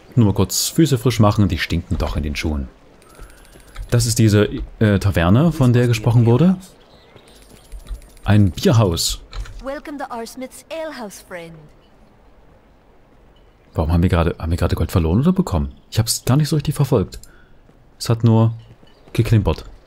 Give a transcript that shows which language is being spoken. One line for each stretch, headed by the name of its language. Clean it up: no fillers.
German: Nur mal kurz Füße frisch machen. Die stinken doch in den Schuhen. Das ist diese Taverne, von der gesprochen wurde. Ein Bierhaus.
English: Welcome to Arsmith's Alehouse, friend.
German: Warum haben wir gerade Gold verloren oder bekommen? Ich habe es gar nicht so richtig verfolgt. Es hat nur geklimpert.